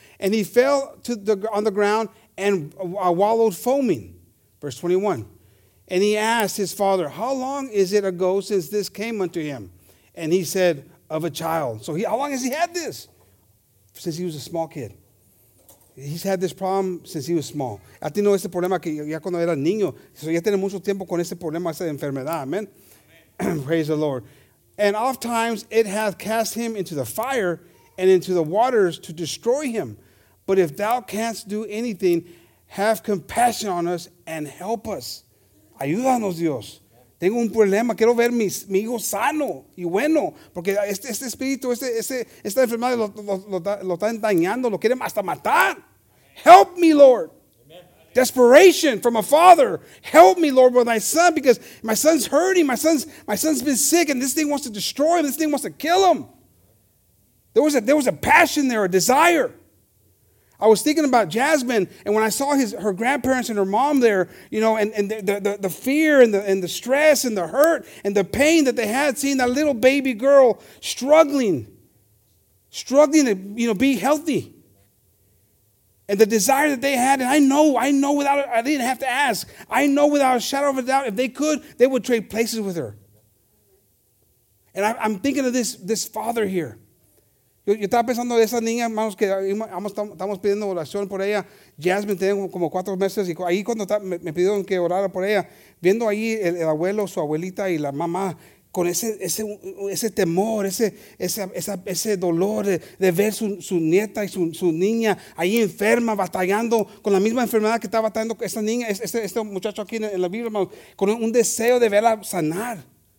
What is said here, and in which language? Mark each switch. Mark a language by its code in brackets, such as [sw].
[en] And he fell to the on the ground and wallowed foaming. Verse 21. And he asked his father, how long is it ago since this came unto him? And he said, of a child. So how long has he had this? Since he was a small kid. He's had this problem since he was small. [es] Ha tenido este problema que ya cuando era niño. Ya tiene mucho tiempo con este problema, esta enfermedad. [en] Amen. Praise the Lord. And oft times it hath cast him into the fire and into the waters to destroy him. But if thou canst do anything, have compassion on us and help us. [es] Ayúdanos, Dios. Tengo un problema. Quiero ver mi hijo sano y bueno. Porque este espíritu, esta enfermedad lo está dañando. Lo quiere hasta matar. [en] Help me, Lord. Desperation from a father. Help me, Lord, with my son. Because my son's hurting. My son's been sick. And this thing wants to destroy him. This thing wants to kill him. There was a passion there, a desire. I was thinking about Jasmine, and when I saw her grandparents and her mom there, you know, and the fear and the stress and the hurt and the pain that they had seeing that little baby girl struggling to, you know, be healthy. And the desire that they had, and I know without, I didn't have to ask, I know without a shadow of a doubt, if they could, they would trade places with her. And I'm thinking of this father here. [es] Yo estaba pensando de esa niña, hermanos, que estamos pidiendo oración por ella. Jasmine tenía como 4 meses. Y ahí cuando me pidieron que orara por ella, viendo ahí el abuelo, su abuelita y la mamá, con ese temor, ese dolor de ver su nieta y su niña ahí enferma, batallando con la misma enfermedad que estaba batallando esa niña, este muchacho aquí en la Biblia, hermanos, con un deseo de verla sanar.